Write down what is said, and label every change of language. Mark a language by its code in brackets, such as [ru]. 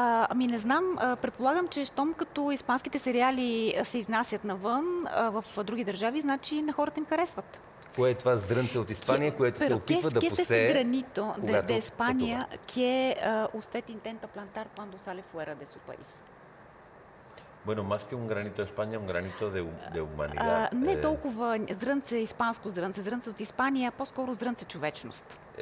[bg] Ами не знам, предполагам, че щом като испанските сериали се изнасят навън в други държави, значи на хората им харесват. Кое е това зрънце от Испания, което се опитва да посее? [es] Кесте гранито de España que usted intenta plantar cuando sale fuera de su país. Bueno, más que un granito de España, un granito de humanidad. [bg] Не толкова зрънце, испанско зрънце, зрънце от Испания, по-скоро зрънце човечност.